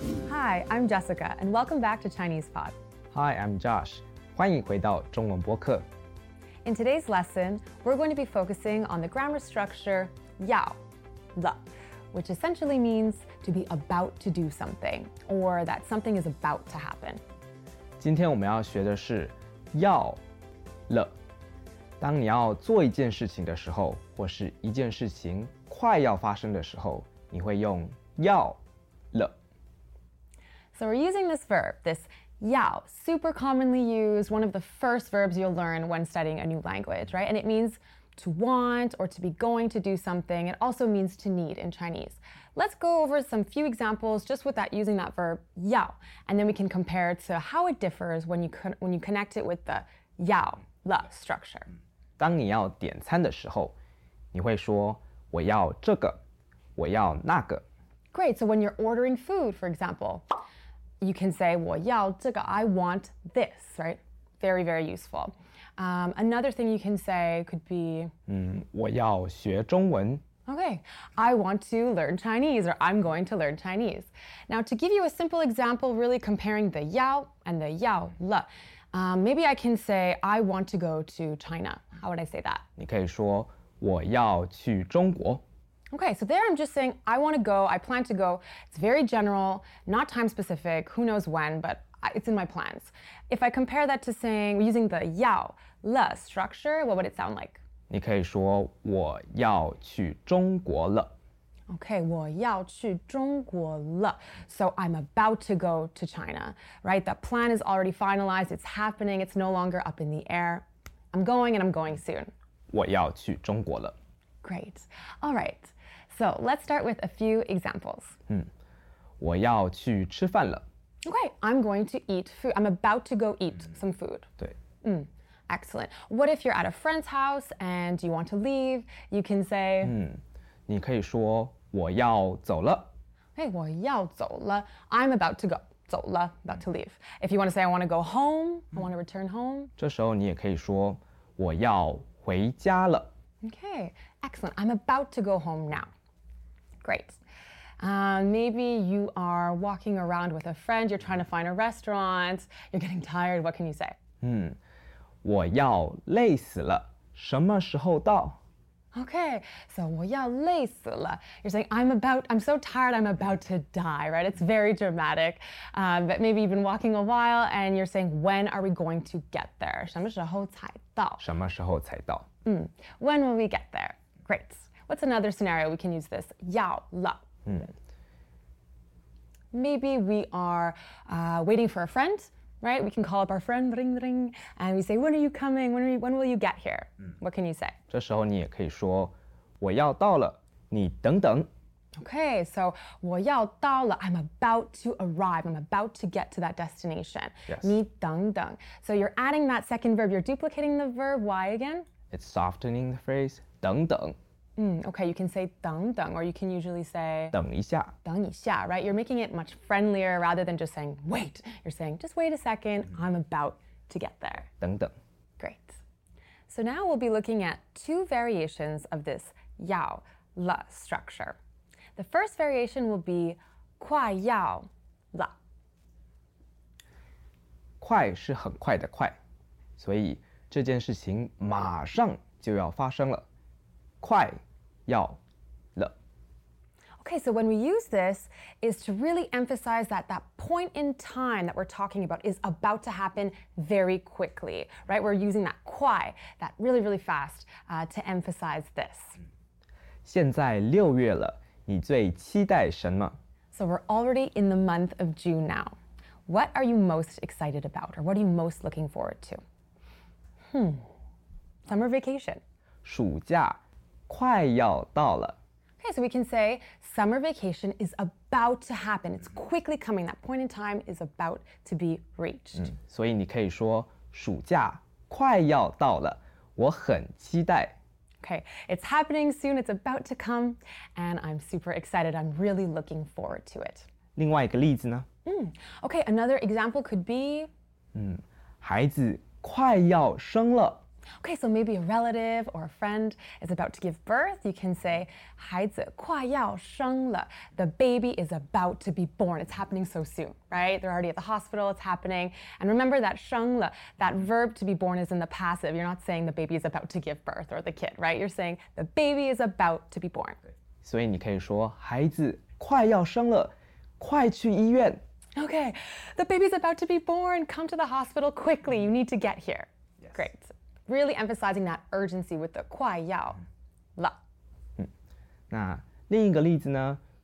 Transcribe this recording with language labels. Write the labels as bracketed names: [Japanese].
[English] Hi, I'm Jessica, and welcome back to ChinesePod. Hi, I'm Josh. [Chinese] 欢迎回到中文播客。 [English] In today's lesson, we're going to be focusing on the grammar structure 要了, which essentially means to be about to do something, or that something is about to happen. [Chinese] 今天我们要学的是要了。当你要做一件事情的时候,或是一件事情快要发生的时候,你会用要了。 [English] So we're using this verb, this 要, super commonly used, one of the first verbs you'll learn when studying a new language, right? And it means to want or to be going to do something. It also means to need in Chinese. Let's go over some few examples just with that using that verb 要, and then we can compare to how it differs when you connect it with the 要, 了 structure. [Chinese] 当你要点餐的时候,你会说我要这个,我要那个。 [English] Great, so when you're ordering food, for example,You can say, [Chinese] 我要这个, [English] I want this, right? Very, very useful. Another thing you can say could be, [Chinese] 我要学中文。 [English] Okay, I want to learn Chinese, or I'm going to learn Chinese. Now, to give you a simple example, really comparing the 要 and the 要了, maybe I can say, I want to go to China. How would I say that? [Chinese] 你可以说,我要去中国。 [English] Okay, so there I'm just saying, I want to go, I plan to go. It's very general, not time specific, who knows when, but it's in my plans. If I compare that to saying, using the 要了 structure, what would it sound like? [Chinese] 你可以说我要去中国了。 Okay, 我要去中国了。 [English] So I'm about to go to China, right? The plan is already finalized, it's happening, it's no longer up in the air. I'm going and I'm going soon. [Chinese] 我要去中国了。 [English] Great. All right. So let's start with a few examples. [Chinese] 我要去吃饭了。 [English] Okay. I'm going to eat food. I'm about to go eat some food. [Chinese] 对。 [English] Excellent. What if you're at a friend's house and you want to leave? You can say, [Chinese] 你可以说我要走了。 [English] Okay. [Chinese] 我要走了。 [English] I'm about to go. 走了, about to leave. If you want to say, I want to go home, I want to return home. [Chinese] 这时候你也可以说我要回家了。 [English] Okay, excellent. I'm about to go home now. Great. Maybe you are walking around with a friend, you're trying to find a restaurant, you're getting tired, what can you say? [Chinese] 我要累死了,什么时候到? Okay, so 我要累死了。 [English] You're saying, I'm so tired, I'm about to die, right? It's very dramatic. But maybe you've been walking a while and you're saying, when are we going to get there? [Chinese] 什么时候才到? 什么时候才到? [English] When will we get there? Great. What's another scenario we can use this? 要了。 Maybe we are waiting for a friend, right? We can call up our friend, ring, ring, and we say, when are you coming? When will you get here? What can you say? [Chinese] 这时候你也可以说,我要到了,你等等。 [English] Okay, so [Chinese] 我要到了, [English] I'm about to arrive, I'm about to get to that destination. Yes. [Chinese] 你等等。 [English] So you're adding that second verb, you're duplicating the verb, why again? It's softening the phrase, 等等。 Okay, you can say 等等, or you can usually say [Chinese] 等一下。等一下, right? [English] You're making it much friendlier rather than just saying, wait. You're saying, just wait a second, I'm about to get there. [Chinese] 等等。 [English] Great. So now we'll be looking at two variations of this 要了 structure. The first variation will be 快要了。 [Chinese] 快是很快的快,所以这件事情马上就要发生了,快要了。 [English] Okay, so when we use this, is to really emphasize that that point in time that we're talking about is about to happen very quickly, right? We're using that 快, that really, really fast, to emphasize this. [Chinese] 现在六月了,你最期待什么? [English] So we're already in the month of June now. What are you most excited about, or what are you most looking forward to? Summer vacation. [Chinese] 暑假快要到了。 [English] Okay, so we can say summer vacation is about to happen. It's quickly coming. That point in time is about to be reached. [Chinese] 所以你可以说暑假快要到了。我很期待。 [English] Okay, it's happening soon. It's about to come. And I'm super excited. I'm really looking forward to it. [Chinese] 另外一个例子呢? [English] Okay, another example could be... [Chinese] 孩子快要生了。 [English] Okay, so maybe a relative or a friend is about to give birth. You can say [Chinese] 孩子快要生了。 [English] The baby is about to be born. It's happening so soon, right? They're already at the hospital. It's happening. And remember that 生了, that verb to be born is in the passive. You're not saying the baby is about to give birth or the kid, right? You're saying the baby is about to be born. [Chinese] 所以你可以说孩子快要生了，快去医院。 [English] Okay, the baby's about to be born. Come to the hospital quickly. You need to get here. Yes. Great. Really emphasizing that urgency with the 快要了。嗯， [Chinese] 那另一个例子呢？